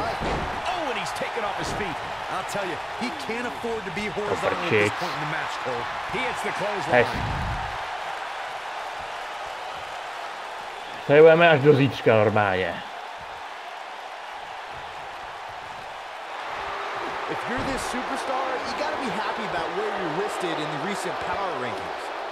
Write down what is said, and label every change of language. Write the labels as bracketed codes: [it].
[en] Oh, and he's taken off his feet. I'll tell you, he can't afford to be horizontal at this point in the match, Cole. He hits the clothesline. [cs] Tady budeme až do zítřka normálně. [en] If you're this superstar, you gotta be happy about where you listed in the recent power rankings.